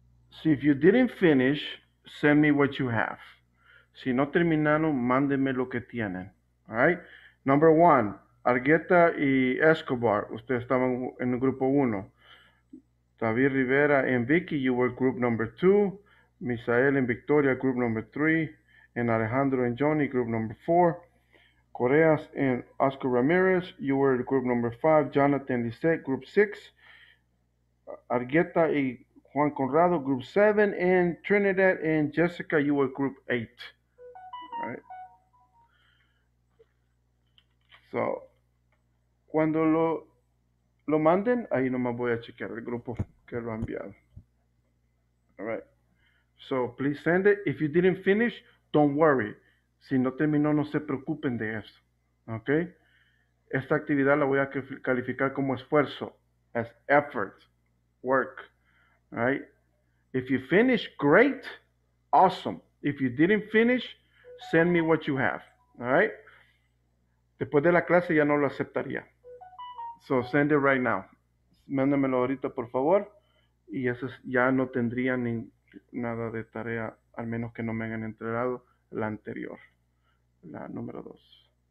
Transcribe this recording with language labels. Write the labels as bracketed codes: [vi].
[en] So if you didn't finish, send me what you have. [es] Si no terminaron, mándenme lo que tienen, [en] all right? Number one, [es] Argueta y Escobar, ustedes estaban en el grupo uno. [en] David Rivera and Vicky, you were group number 2. Misael and Victoria, group number 3. And Alejandro and Johnny, group number 4. Correas and Oscar Ramirez, you were group number 5. Jonathan Lissette, group 6. Argueta y Juan Conrado, group 7. And Trinidad and Jessica, you were group 8. Right. [es] So, cuando lo manden, ahí nomás voy a chequear el grupo. [en] Alright. So please send it. If you didn't finish, don't worry. [es] Si no terminó, no se preocupen de eso. Okay? Esta actividad la voy a calificar como esfuerzo. [en] As effort. Work. Alright? If you finish, great. Awesome. If you didn't finish, send me what you have. Alright? [es] Después de la clase ya no lo aceptaría. [en] So send it right now. [es] Mándamelo ahorita, por favor. Y eso ya no tendría ni nada de tarea, al menos que no me hayan entregado la anterior, la número 2.